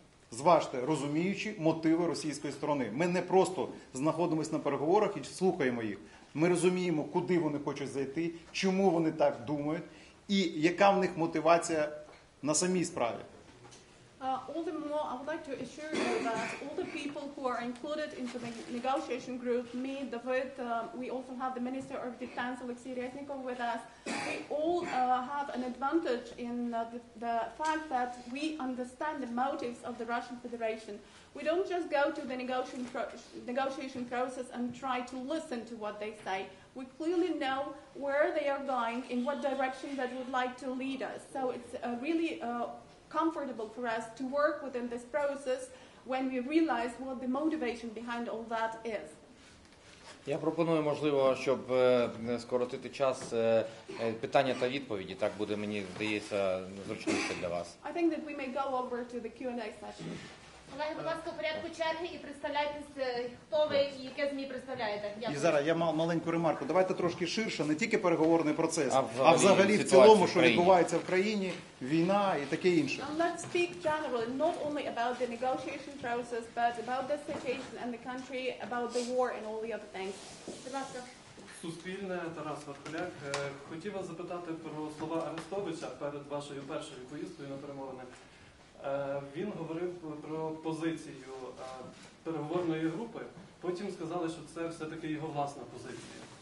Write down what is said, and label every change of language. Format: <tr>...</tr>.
<uk>Зважте, розуміючи мотиви російської сторони. Ми не просто знаходимося на переговорах і слухаємо їх. Ми розуміємо, куди вони хочуть зайти, чому вони так думають і яка в них мотивація на самій справі.</uk> <en>I would like to assure you that all the people who are included into the negotiation group, me, David, we also have the Minister of Defense, Alexei Reznikov, with us. We all have an advantage in the fact that we understand the motives of the Russian Federation. We don't just go to the negotiation process and try to listen to what they say. We clearly know where they are going, in what direction they would like to lead us. So it's really... comfortable for us to work within this process when we realize what the motivation behind all that is.</en> <uk>Я пропоную, можливо, щоб скоротити час питання та відповіді, так буде, мені здається, зручніше для вас.</uk> <en>I think that we may go over to the Q&A session.</en> <uk>Олег, будь ласка, в порядку черги і представляйтесь, хто ви і яке ЗМІ представляєте. Дякую. І зараз я мав маленьку ремарку. Давайте трошки ширше, не тільки переговорний процес, а взагалі в цілому, що відбувається в країні, війна і таке інше.</uk> <en>And let's speak generally, not only about the negotiation process, but about the situation in the country, about the war and all the other things.</en> <uk>Будь ласка. Суспільне, Тарас Вархоляк. Хотів вас запитати про слова Арестовича перед вашою першою поїздкою на перемовини. Він говорив про позицію переговорної групи, потім сказали, що це все-таки його власна позиція.</uk>